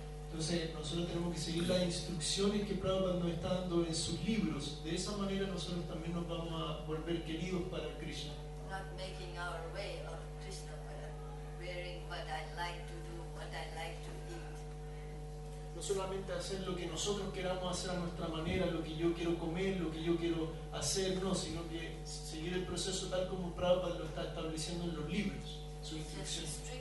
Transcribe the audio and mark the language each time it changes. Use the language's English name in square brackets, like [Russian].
[Spanish] Entonces nosotros tenemos que seguir las instrucciones que Prabhupada nos está dando en sus libros. De esa manera nosotros también nos vamos a volver queridos para Krishna. [English] Not making our way of Krishna, wearing what I like to do, what I like to eat. [Spanish] No solamente hacer lo que nosotros queramos hacer a nuestra manera, lo que yo quiero comer, lo que yo quiero hacer, no, sino que seguir el proceso tal como Prabhupada lo está estableciendo en los libros, sus instrucciones.